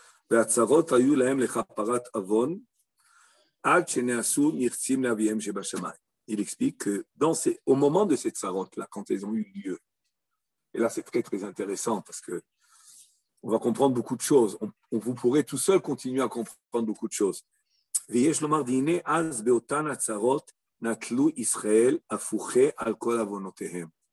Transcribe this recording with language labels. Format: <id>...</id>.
<he>והצרות היו להם לכפרת אבון עד שנעשו מרצים לאביהם שבשמיים.</he> <fr>Il explique que au moment de ces tsarot-là, quand elles ont eu lieu, et là c'est très très intéressant parce que on va comprendre beaucoup de choses. Vous pourrez tout seul continuer à comprendre beaucoup de choses.</fr> <he>ויש לומר דיני אז באותן הצרות נטלו ישראל הפוכה על כל אבונותיהם.</he>